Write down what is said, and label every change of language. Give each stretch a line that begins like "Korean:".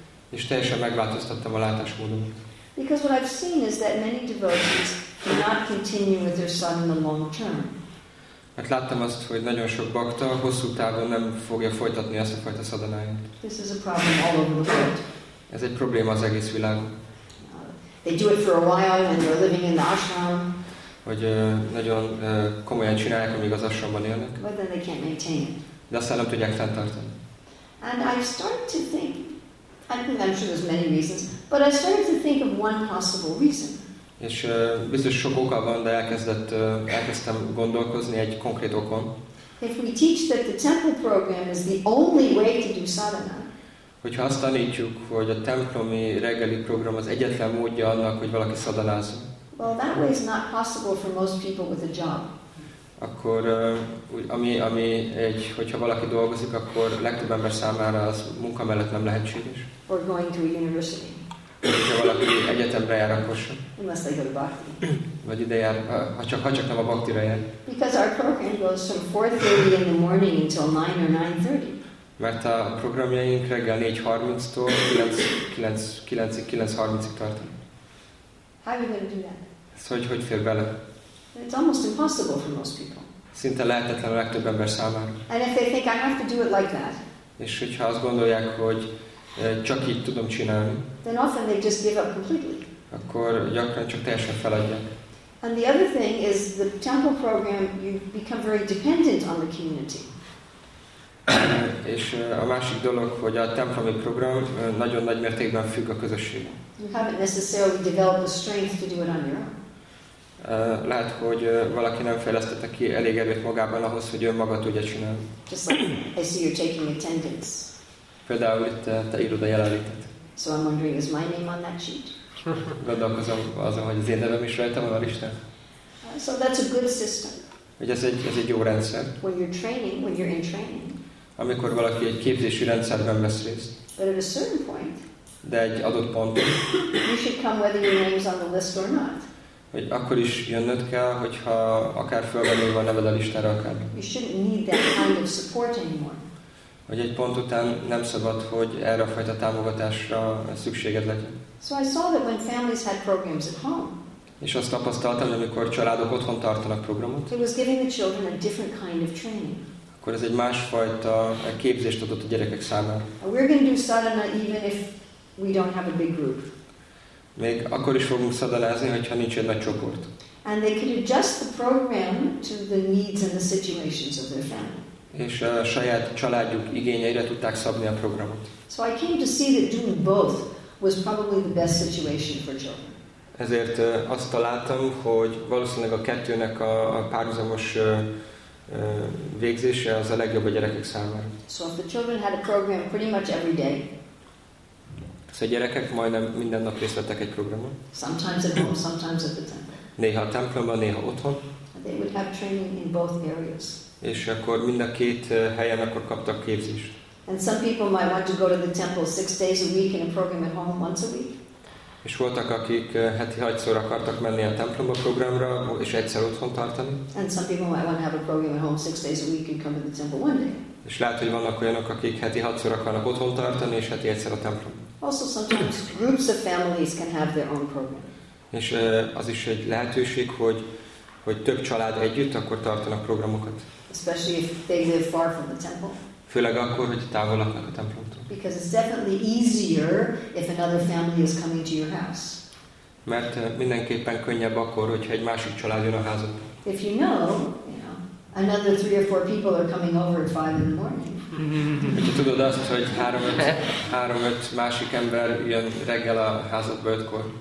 Hungarian: És teljesen megváltoztattam a látásmódomat.
English: Because what I've seen is that many devotees cannot continue with their son in the long term.
Hungarian: Mert láttam azt, hogy nagyon sok bakta hosszú távon nem fogja folytatni ezt a fajta szadanáját.
English: This is a problem all over the world.
Hungarian: Ez egy probléma az egész világon.
English: They do it for a while and they're living in the ashram.
Hungarian: Hogy nagyon komolyan csinálják, amíg az ashramban élnek.
English: But then they can't maintain it.
Hungarian: De aztán nem tudják fenntartani.
English: And I started to think, I think I'm sure there's many reasons, but I started to think of one possible reason.
Hungarian: És biztos sok oka van, de elkezdtem gondolkozni egy konkrét okon.
English: If we teach that the temple program is the only way to do sadhana.
Hungarian: Hogyha azt tanítjuk, hogy a templomi reggeli program az egyetlen módja annak, hogy valaki szadanázzon.
English: Well, that way is not possible for most people with a job.
Hungarian: Akkor ami egy, hogyha valaki dolgozik, akkor legtöbb ember számára az munka mellett nem lehetséges.
English: Or going to a university.
Hungarian: Ha valaki egyetemre jár, akkor sem.
English: Unless they go to bhakti.
Hungarian: Vagy ide jár, ha csak nem a bhaktira jár.
English: Because our program goes from 4:30 in the morning until 9 or 9:30.
Hungarian: Mert a programjaink reggel 4:30-tól 9:30-ig tartanak.
English: How are we going to do that?
Hungarian: Szóval, hogy fér bele?
English: It's almost impossible for most people.
Hungarian: Szinte lehetetlen a legtöbb ember számára.
English: And if they think I have to do it like that.
Hungarian: És hogyha azt gondolják, hogy csak így tudom csinálni.
English: Then often they just give up completely.
Hungarian: Akkor gyakran csak teljesen feladják.
English: And the other thing is the temple program, you become very dependent on the community.
Hungarian: És a másik dolog, hogy a templomi program nagyon nagy mértékben függ a közösségben.
English: You haven't necessarily developed the strength to do it on your own.
Hungarian: Lehet, hogy valaki nem fejlesztette ki elég erőt magában ahhoz, hogy önmaga tudja csinálni.
English: Just like I see you're taking attendance.
Hungarian: Például itt te írod a jelenlétet.
English: So I'm wondering, is my name on that sheet?
Hungarian: Gondolkozom azon, hogy az én nevem is rajta van a listán.
English: So that's a good system.
Hungarian: Hogy ez egy jó rendszer.
English: When you're training, when you're in training.
Hungarian: Amikor valaki egy képzési rendszerben vesz részt.
English: But at a certain point.
Hungarian: De egy adott ponton.
English: You should come whether your name's on the list or not.
Hungarian: Hogy akkor is jönnöd kell, hogyha akár föl van írva a neved a listára, akár.
English: You shouldn't need that kind of support anymore.
Hungarian: Hogy egy pont után nem szabad, hogy erre a fajta támogatásra szükséged legyen.
English: So I saw that when families had programs at home.
Hungarian: És azt tapasztaltam, amikor családok otthon tartanak programot.
English: It was giving the children a different kind of training.
Hungarian: Akkor ez egy másfajta képzést adott a gyerekek számára.
English: And we're going to do sadhana even if we don't have a big group.
Hungarian: Még akkor is fogunk szadalázni, hogyha nincs egy nagy csoport.
English: And they could adjust the program to the needs and the situations of their family.
Hungarian: És a saját családjuk igényeire tudták szabni a programot.
English: So I came to see that doing both was probably the best situation for children.
Hungarian: Ezért azt találtam, hogy valószínűleg a kettőnek a párhuzamos végzése az a legjobb a gyerekek számára.
English: So if the children had a program pretty much every day.
Hungarian: Szóval a gyerekek majdnem minden nap részt vettek egy programon.
English: Sometimes at home, sometimes at the temple.
Hungarian: Néha a templomban, néha otthon.
English: They would have training in both areas.
Hungarian: És akkor mind a két helyen akkor kaptak képzést.
English: And some people might want to go to the temple 6 days a week in a program at home once a week.
Hungarian: És voltak, akik heti 6-szor akartak menni a templomba programra, és egyszer otthon tartani.
English: And some people might want to have a program at home 6 days a week and come to the temple one day.
Hungarian: És lehet, hogy vannak olyanok, akik heti 6-szor akarnak otthon tartani, és heti egyszer a templom.
English: Also sometimes groups of families can have their own program.
Hungarian: És az is egy lehetőség, hogy több család együtt akkor tartanak programokat.
English: Especially if they live far from the temple.
Hungarian: Főleg akkor, hogy távol laknak a templomtól.
English: Because it's definitely easier if another family is coming to your house.
Hungarian: Mert mindenképpen könnyebb akkor, hogyha egy másik család jön a házadba.
English: If you know, another 3 or 4 people are coming over at 5 in the morning.
Hungarian: Hogyha tudod azt, hogy 3-5 másik ember jön reggel a házadba 5-kor.